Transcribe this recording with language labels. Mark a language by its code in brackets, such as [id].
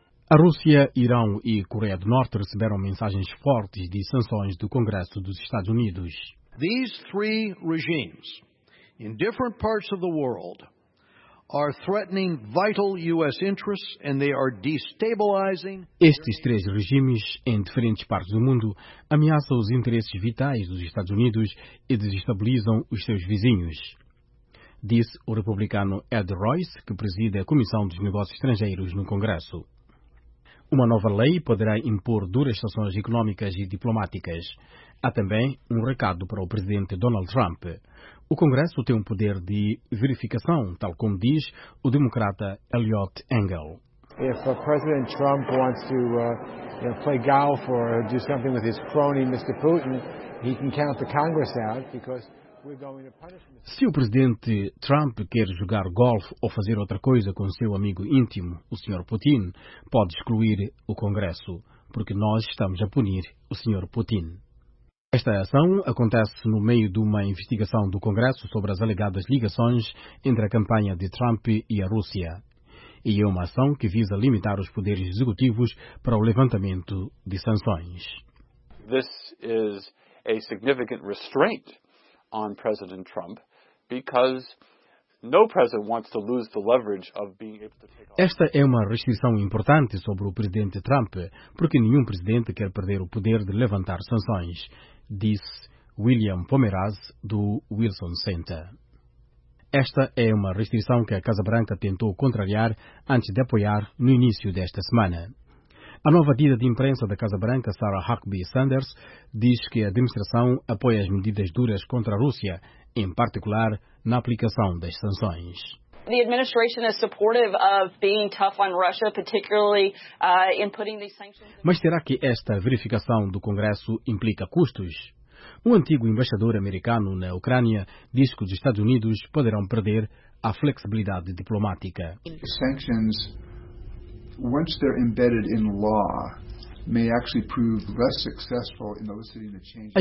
[pt] A Rússia, Irão e Coreia do Norte receberam mensagens fortes de sanções do Congresso dos Estados Unidos. [en] These three regimes, in different parts of the world, are threatening vital U.S. interests and they are destabilizing. [pt] Estes três regimes, em diferentes partes do mundo, ameaçam os interesses vitais dos Estados Unidos e desestabilizam os seus vizinhos, disse o republicano Ed Royce, que preside a Comissão dos Negócios Estrangeiros no Congresso. Uma nova lei poderá impor duras sanções económicas e diplomáticas. Há também um recado para o presidente Donald Trump. O Congresso tem um poder de verificação, tal como diz o democrata Elliot Engel. [en] If President Trump wants to play golf or do something with his crony Mr. Putin, he can count the Congress out because we're going to punish him. [pt] Se o presidente Trump quer jogar golfe ou fazer outra coisa com seu amigo íntimo, o Sr. Putin, pode excluir o Congresso, porque nós estamos a punir o Sr. Putin. Esta ação acontece no meio de uma investigação do Congresso sobre as alegadas ligações entre a campanha de Trump e a Rússia. E é uma ação que visa limitar os poderes executivos para o levantamento de sanções. [en] This is a significant restraint on President Trump because no president wants to lose the leverage of being able to take off. [pt] Esta é uma restrição importante sobre o presidente Trump, porque nenhum presidente quer perder o poder de levantar sanções, disse William Pomeraz, do Wilson Center. Esta é uma restrição que a Casa Branca tentou contrariar antes de apoiar no início desta semana. A nova dita de imprensa da Casa Branca, Sarah Huckabee Sanders, diz que a administração apoia as medidas duras contra a Rússia, em particular na aplicação das sanções. [en] The administration is supportive of being tough on Russia, particularly in putting these sanctions. [pt] Mas será que esta verificação do Congresso implica custos? Um antigo embaixador americano na Ucrânia diz que os Estados Unidos poderão perder a flexibilidade diplomática. [en] Sanctions, once they're embedded in law, may actually prove less successful in eliciting the change.